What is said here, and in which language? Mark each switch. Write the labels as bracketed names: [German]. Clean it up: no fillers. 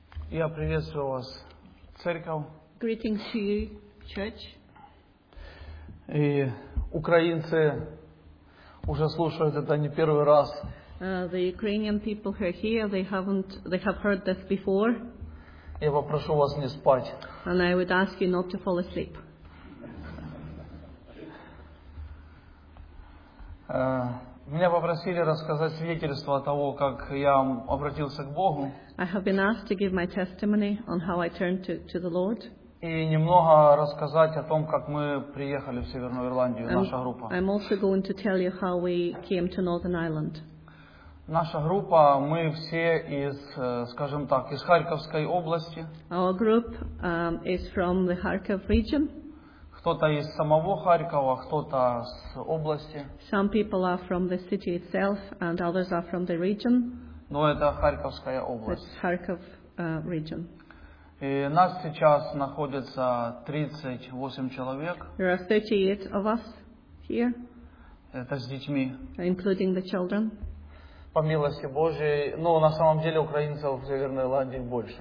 [Russian] Я приветствую вас, церковь. [English] Greetings to you, church. [Russian] И украинцы уже слушают это не первый раз. [English] The Ukrainian people who are here, they have heard this before. [Russian] Я попрошу вас не спать. [English] And I would ask you not to fall asleep. [Russian] Меня попросили рассказать свидетельство о того, как я обратился к Богу. [English] I have been asked to give my testimony on how I turned to the Lord. [Russian] И немного рассказать о том, как мы приехали в Северную Ирландию, наша группа. [English] I'm also going to tell you how we came to Northern Ireland. [Russian] Наша группа, мы все из, скажем так, из Харьковской области. [English] Our group is from the Kharkiv region. [Russian] Кто-то из самого Харькова, кто-то с области. [English] Some people are from the city itself, and others are from the region. [Russian] Но это Харьковская область. [English] It's Kharkiv region. [Russian] И нас сейчас находится 38 человек. [English] There are 38 of us here. [Russian] Это с детьми. [English] Including the children. [Russian] По милости Божией, но на самом деле украинцев в Северной Ирландии больше.